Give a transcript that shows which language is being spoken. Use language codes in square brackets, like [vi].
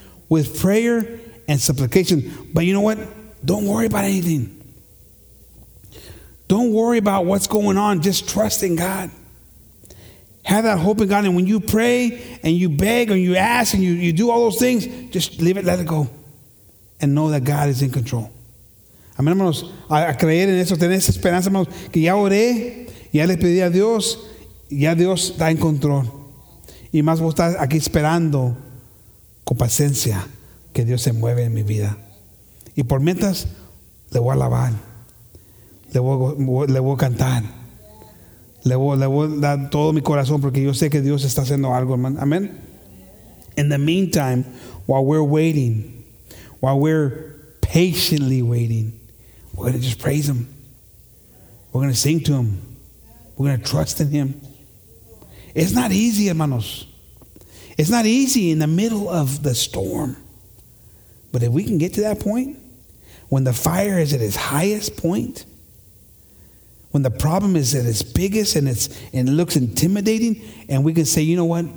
[en] With prayer and supplication. But you know what? Don't worry about anything. Don't worry about what's going on. Just trust in God. Have that hope in God. And when you pray and you beg and you ask and you do all those things, just leave it, let it go. And know that God is in control. [es] Amén, hermanos. A creer en eso, tener esa esperanza, hermanos, que ya oré. Ya le pedí a Dios, ya Dios está en control. Y más vos estás aquí esperando con paciencia que Dios se mueva en mi vida. Y por mientras, le voy a alabar. Le voy a cantar. Le voy a dar todo mi corazón porque yo sé que Dios está haciendo algo, hermano. Amén. [en] In the meantime, while we're waiting, while we're patiently waiting, we're going to just praise Him. We're going to sing to Him. We're going to trust in Him. It's not easy, hermanos. It's not easy in the middle of the storm. But if we can get to that point, when the fire is at its highest point, when the problem is at its biggest and it looks intimidating, and we can say, you know what?